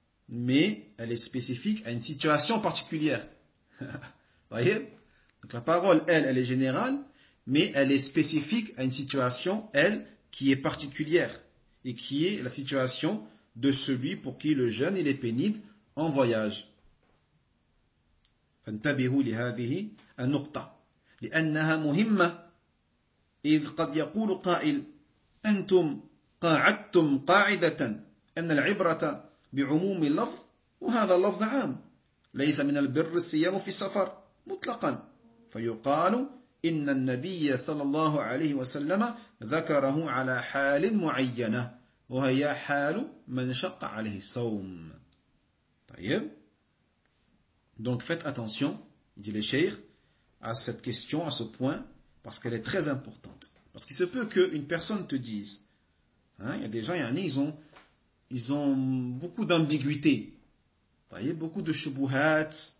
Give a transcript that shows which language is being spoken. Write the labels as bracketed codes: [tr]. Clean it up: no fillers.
[fr] mais elle est spécifique à une situation particulière. Vous voyez? Donc la parole, elle, elle est générale, mais elle est spécifique à une situation, elle, qui est particulière et qui est la situation de celui pour qui le jeûne il est pénible en voyage. [ar] فانتبهوا لهذه النقطة لأنها مهمة إذ قد يقول قائل أنتم قاعدتم قاعدة أن العبرة بعموم اللفظ وهذا اللفظ عام ليس من البر الصيام في السفر مطلقا فيقال إن النبي صلى الله عليه وسلم ذكره على حال معينة وهي حال من شق عليه الصوم. طيب. [fr] Donc faites attention, dit le cheikh, à cette question, à ce point, parce qu'elle est très importante. Parce qu'il se peut qu'une personne te dise, hein, il y a des gens, ils ont beaucoup d'ambiguïté, voyez, beaucoup de choubouhat.